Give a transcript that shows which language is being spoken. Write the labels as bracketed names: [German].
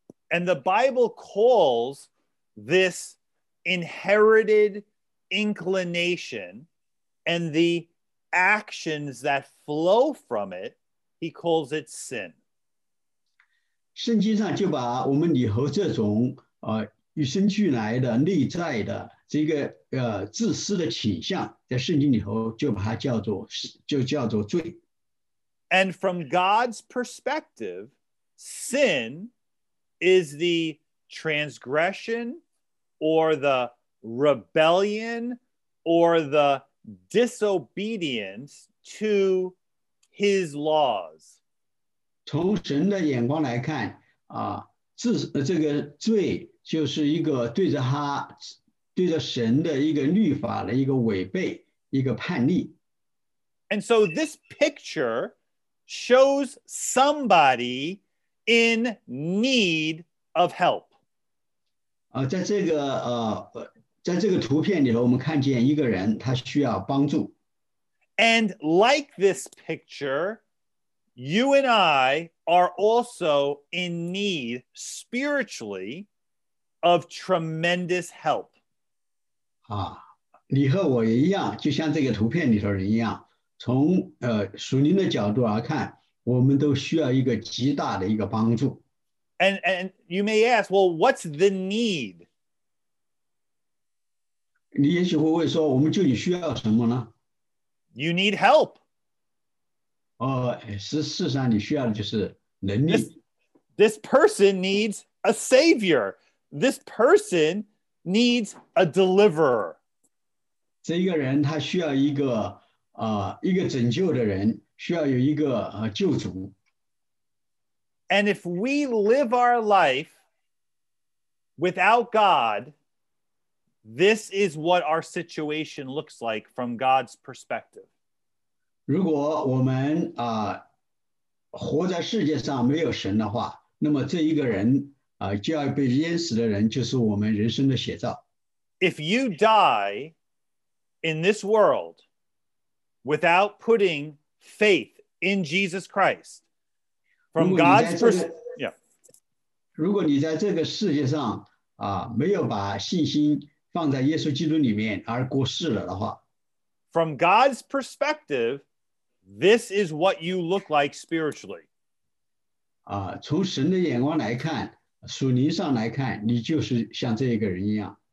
[English] And the Bible calls this inherited inclination and the actions that flow from it, he calls it sin. [Chinese] 圣经上就把我们里头这种与生俱来的内在的这个自私的倾向，在圣经里头就把它叫做罪。 [English] And from God's perspective, sin is the transgression or the rebellion or the disobedience to his laws. [Chinese] 从神的眼光来看，这个罪就是一个对着神的一个律法的一个违背，一个叛逆。 [English] And so this picture shows somebody in need of help. [Chinese] 在这个图片里头，我们看见一个人，他需要帮助。 [English] And like this picture, you and I are also in need spiritually of tremendous help. [Chinese] 你和我也一样，就像这个图片里头人一样，从属灵的角度而看。我们都需要一个极大的一个帮助。 [English] And you may ask, well, what's the need? [Chinese] 你也许会说，我们究竟需要什么呢？ [English] You need help. [Chinese] 事实上你需要的就是能力。 [English] This person needs a savior. This person needs a deliverer. [Chinese] 这一个人他需要一个拯救的人。需要有一个救主。 [English] And if we live our life without God, This is what our situation looks like from God's perspective. [Chinese] 如果我们活在世界上没有神的话, 那么这一个人, 就要被淹死的人就是我们人生的写照。 [English] If you die in this world without putting faith in Jesus Christ, from God's perspective, yeah. [Chinese] 如果你在这个世界上, 没有把信心放在耶稣基督里面而过世了的话, [English] from God's perspective, this is what you look like spiritually. [Chinese] 从神的眼光来看, 属灵上来看, 你就是像这一个人一样。